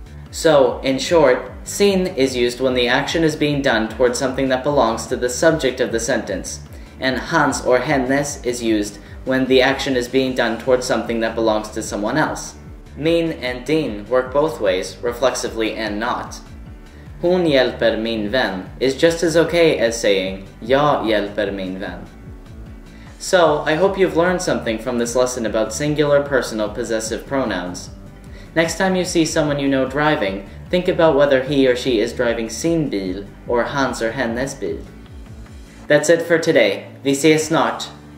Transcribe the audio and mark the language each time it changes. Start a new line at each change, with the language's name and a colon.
English: So, in short, sin is used when the action is being done towards something that belongs to the subject of the sentence, and hans or hennes is used when the action is being done towards something that belongs to someone else. Min and din work both ways, reflexively and not.
Swedish: Hon hjälper min vän
English: is just as okay as saying
Swedish: jag hjälper min vän.
English: So, I hope you've learned something from this lesson about singular personal possessive pronouns. Next time you see someone you know driving, think about whether he or she is driving
Swedish: sin bil
English: or hans or
Swedish: hennes bil.
English: That's it for today.
Swedish: Vi ses snart!